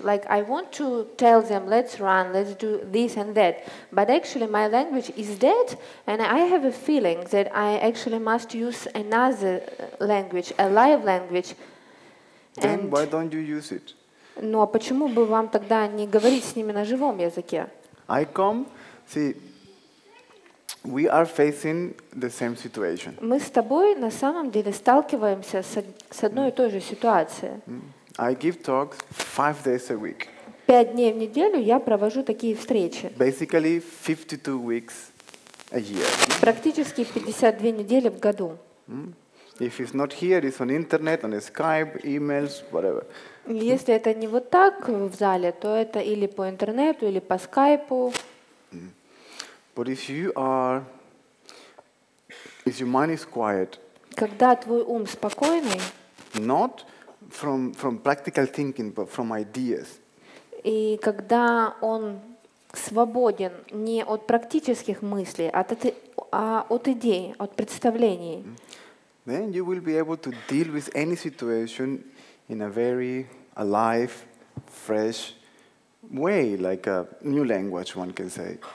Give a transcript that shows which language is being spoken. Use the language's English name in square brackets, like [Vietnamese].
[English] Like I want to tell them, let's run, let's do this and that. But actually my language is dead, and I have a feeling that I actually must use another language, a live language. Then why don't you use it? [Russian] Ну а почему бы вам тогда не говорить с ними на живом языке? [English] I come, see, we are facing the same situation. [Russian] Мы с тобой на самом деле сталкиваемся с одной и той же ситуацией. [English] I give talks 5 days a week. [Russian] 5 дней в неделю я провожу такие встречи. [English] Basically 52 weeks a year. [Russian] Практически 52 недели в году. [English] If it's not here, it's on internet, on Skype, emails, whatever. [Russian] Если это не вот так в зале, то это или по интернету, или по Skype. [English] But if you are, if your mind is quiet. [Russian] Когда твой ум спокойный. [English] Not from practical thinking, but from ideas. [Russian] И когда он свободен не от практических мыслей, а от идей, от представлений. [English] Then you will be able to deal with any situation in a very alive, fresh way, like a new language, one can say.